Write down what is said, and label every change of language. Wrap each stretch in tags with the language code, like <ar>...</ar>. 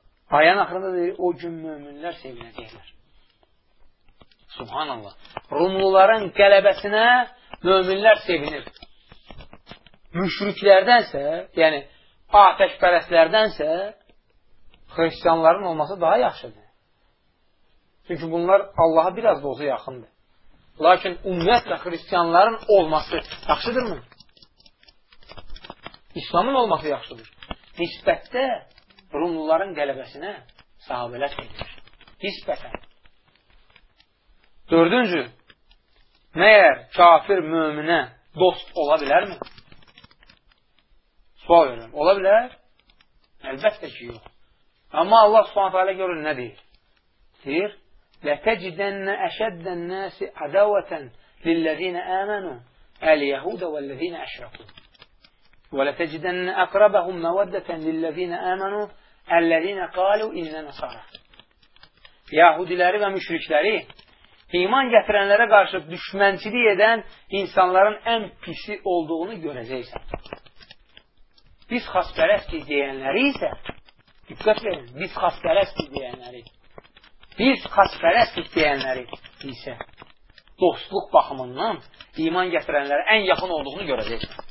<az>Ayənin axırında deyir, o gün möminlər sevinəcəklər. Subhanallah. Rumluların qələbəsinə möminlər sevinir. Müşriklərdənsə, yəni atəşpərəslərdənsə xristianların olması daha yaxşıdır. Çünki bunlar Allaha biraz da olsa yaxındır. Lakin ümumiyyətlə xristianların olması yaxşıdırmı? İslamın olması yaxşıdır. Nisbətdə Rumluların qələbəsinə sahabələr gedir. Nisbətən. Dördüncü, məyər kafir möminə dost ola bilərmi? Sual verirəm. Ola bilər? Əlbəttə ki, yox. Amma Allah subhanətə alə görür, nə deyir?</az> <ar>Deyir, لَتَجِدَنَّ أَشَدَّ النَّاسِ عَدَوَةً لِلَّذِينَ آمَنُوا الْيَهُودَ وَالَّذِينَ أَشْرَكُوا وَلَتَجِدَنَّ أَقْرَبَهُمْ مَوَدَّةً لِلَّذِينَ آمَنُوا الَّذِينَ قَالُوا إِنَّا نَصَارَى</ar> <az>Yahudiləri və müşrikləri iman gətirənlərə qarşı düşmənçilik edən insanların ən pisi olduğunu görəcəksən. Biz xasperəski deyənləri isə diqqət verin, biz xasperəski deyənləri biz xasperəstik deyənləri isə dostluq baxımından iman gətirənlərə ən yaxın olduğunu görəcək.</az>